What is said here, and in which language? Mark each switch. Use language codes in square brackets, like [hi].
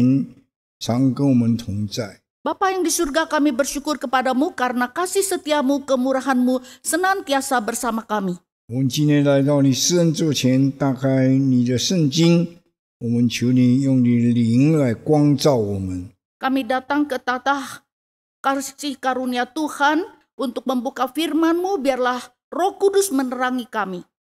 [zh] 天父上帝，我们特别感谢你，因为你的慈爱、怜悯常跟我们同在。 [id] Bapa yang di surga, kami bersyukur kepadamu karena kasih setiamu, kemurahanmu senantiasa bersama kami. [zh] 我们今天来到你施恩座前，打开你的圣经，我们求你用你的灵来光照我们。 [id] Kami datang ke tata kasih karunia Tuhan untuk membuka firmanmu, biarlah Roh Kudus menerangi kami.